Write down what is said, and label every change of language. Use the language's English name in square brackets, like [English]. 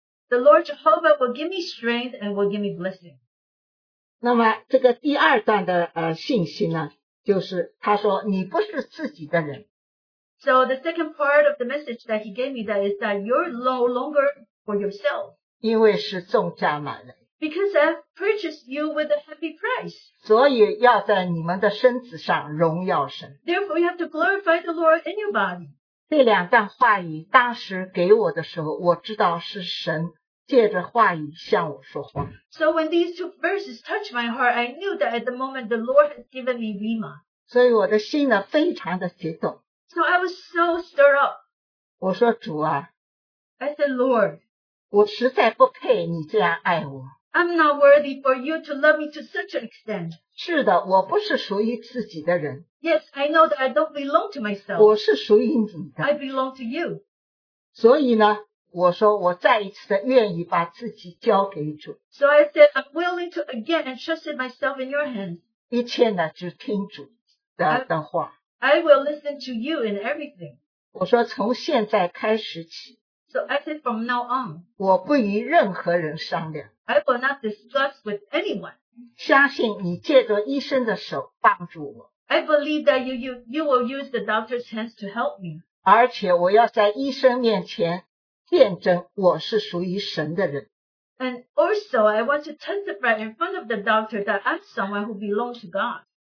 [English] The Lord Jehovah will give me strength and will give me blessing. [Chinese] 那么这个第二段的信息呢，就是他说你不是自己的人。 [English] So the second part of the message that he gave me that is that you're no longer for yourself. [Chinese] 因为是重价买的。 [English] Because I've purchased you with a heavy price. [Chinese] 所以要在你们的身子上荣耀神。 [English] Therefore, you have to glorify the Lord in your body. [Chinese] 这两段话语当时给我的时候，我知道是神借着话语向我说话。 [English] So when these two verses touched my heart, I knew that at the moment the Lord has given me Rima. [Chinese] 所以我的心呢，非常的激动。 [English] So I was so stirred up. [Chinese] 我说主啊。 [English] I said, Lord. [Chinese] 我实在不配你这样爱我。 [English] I'm not worthy for you to love me to such an extent. [Chinese] 是的，我不是属于自己的人。 [English] Yes, I know that I don't belong to myself. [Chinese] 我是属于你的。 [English] I belong to you. [Chinese] 所以呢，我说我再一次的愿意把自己交给主。 [English] So I said I'm willing to again entrust myself in your hands. [Chinese] 一切呢，就听主的话。 [English] I will listen to you in everything. [Chinese] 我说从现在开始起。 [English] So I said from now on. [Chinese] 我不与任何人商量。 [English] I will not discuss with anyone. [Chinese] 相信你借着医生的手帮助我。 [English] I believe that you will use the doctor's hands to help me. [Chinese] 而且我要在医生面前见证我是属于神的人。 [English] And also, I want to testify in front of the doctor that I'm someone who belongs to God.